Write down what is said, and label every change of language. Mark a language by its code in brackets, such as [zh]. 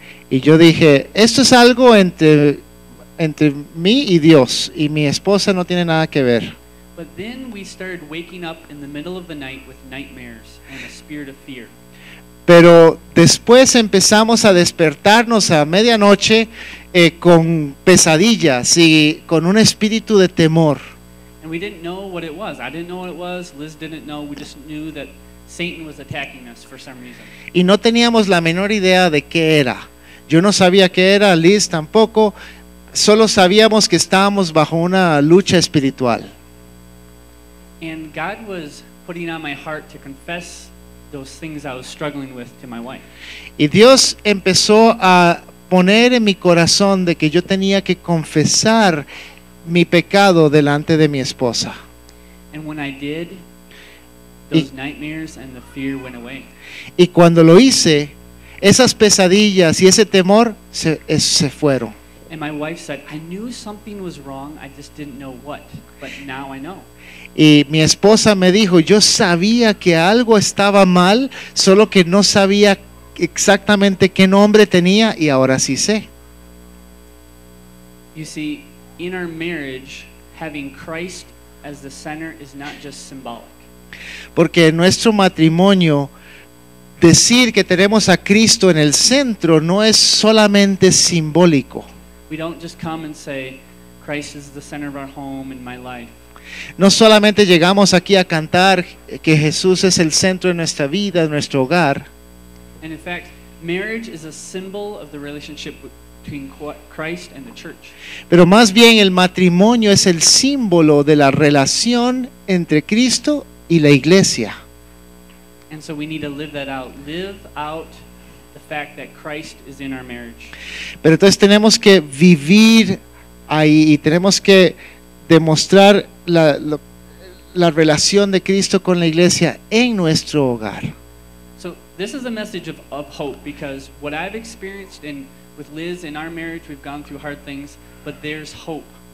[es] Y yo dije, esto es algo entre mí y Dios, y mi esposa no tiene nada que ver. [en] But then we started waking up in the middle of the night with nightmares and a spirit of fear. [es] Pero después empezamos a despertarnos a medianoche con pesadillas y con un espíritu de temor. [en] And we didn't know what it was. I didn't know what it was. Liz didn't know. We just knew that Satan was attacking us for some reason. [es] Y no teníamos la menor idea de qué era. Yo no sabía qué era, Liz tampoco. Solo sabíamos que estábamos bajo una lucha espiritual. [en] And God was putting on my heart to confess those things I was struggling with to my wife. [es] Y Dios empezó a poner en mi corazón de que yo tenía que confesar mi pecado delante de mi esposa. [en] And when I did, those nightmares and the fear went away. [es] Y cuando lo hice, esas pesadillas y ese temor se fueron. [en] And my wife said, I knew something was wrong, I just didn't know what, but now I know. [es] Y mi esposa me dijo, yo sabía que algo estaba mal, solo que no sabía exactamente qué nombre tenía y ahora sí sé. [en] You see, in our marriage, having Christ as the center is not just symbolic. [es] Porque en nuestro matrimonio, decir que tenemos a Cristo en el centro no es solamente simbólico. [en] We don't just come and say, Christ is the center of our home and my life. [es] No solamente llegamos aquí a cantar que Jesús es el centro de nuestra vida, de nuestro hogar. [en] And in fact, marriage is a symbol of the relationship between Christ and the church. [es] Pero más bien el matrimonio es el símbolo de la relación entre Cristo y la iglesia. [en] And so we need to live that out. Live out the fact that Christ is in our marriage. [es] Pero entonces tenemos que vivir ahí y tenemos que demostrar la relación de Cristo con la iglesia en nuestro hogar. [en] So this is a message of hope, because what I've experienced in with Liz in our marriage, we've gone through hard things, but there's hope.